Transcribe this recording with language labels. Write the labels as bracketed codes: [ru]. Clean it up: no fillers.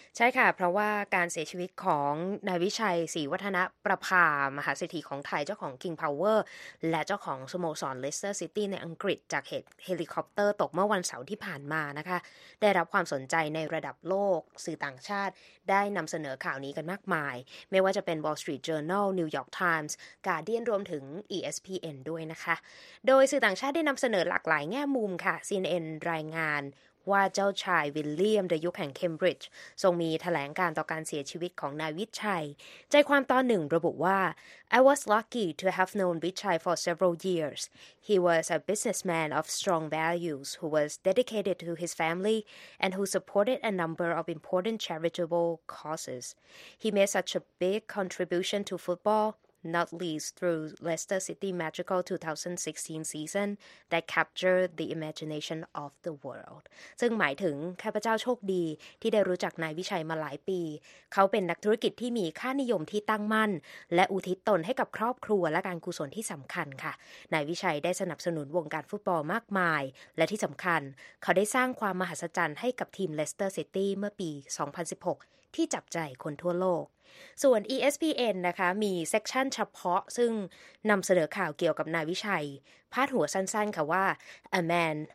[th] ใช่ค่ะเพราะว่าการเสียชีวิตของนายวิชัยศรีวัฒนประภามหาเศรษฐีของไทยเจ้าของ King Power และเจ้าของสโมสรเลสเตอร์ซิตี้ในอังกฤษจากเหตุเฮลิคอปเตอร์ตกเมื่อวันเสาร์ที่ผ่านมานะคะได้รับความสนใจในระดับโลกสื่อต่างชาติได้นำเสนอข่าวนี้กันมากมายไม่ว่าจะเป็น Wall Street Journal New York Times Guardian รวมถึง ESPN ด้วยนะคะ โดยสื่อต่างชาติได้นำเสนอหลากหลายแง่มุมค่ะ CNN รายงานว่าเจ้าชายวิลเลียมในยุคแห่งเคมบริดจ์ทรงมีแถลงการต่อการเสียชีวิตของนายวิชัยใจความตอนหนึ่งระบุว่า [en] I was lucky to have known Vichai for several years. He was a businessman of strong values who was dedicated to his family and who supported a number of important charitable causes. He made such a big contribution to football. Not least through Leicester City Magical 2016 season that captured the imagination of the world. [th] ซึ่งหมายถึงข้าพเจ้าโชคดีที่ได้รู้จักนายวิชัยมาหลายปีเขาเป็นนักธุรกิจที่มีค่านิยมที่ตั้งมั่นและอุทิศตนให้กับครอบครัวและการกุศลที่สำคัญค่ะนายวิชัยได้สนับสนุนวงการฟุตบอลมากมายและที่สำคัญเขาได้สร้างความมหัศจรรย์ให้กับทีม Leicester City เมื่อปี2016ที่จับใจคนทั่วโลกส่วน ESPN นะคะมีเซกชันเฉพาะซึ่งนำเสนอข่าวเกี่ยวกับนายวิชัยพาดหัวสั้นๆค่ะว่า [en] A man